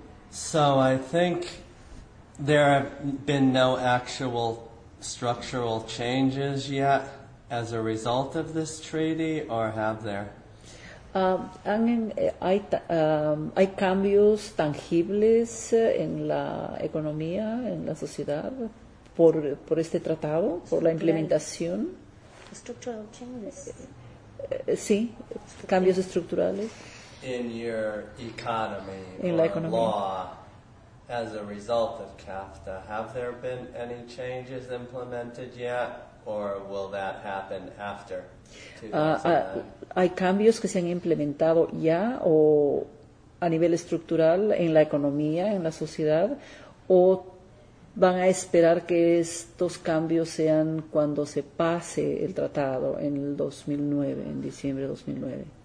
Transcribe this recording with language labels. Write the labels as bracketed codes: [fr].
[en] So I think there have been no actual structural changes yet as a result of this treaty, or have there? [es] Hay cambios tangibles en la economía, en la sociedad, por este tratado, por la implementación. [en] Structural changes. [es] Sí, cambios estructurales. [en] In your economy, in or [es] la economía. [en] Law. As a result of CAFTA, have there been any changes implemented yet, or will that happen after 2009? [es] Hay cambios que se han implementado ya o a nivel estructural en la economía, en la sociedad, o van a esperar que estos cambios sean cuando se pase el tratado en el 2009, en diciembre de 2009.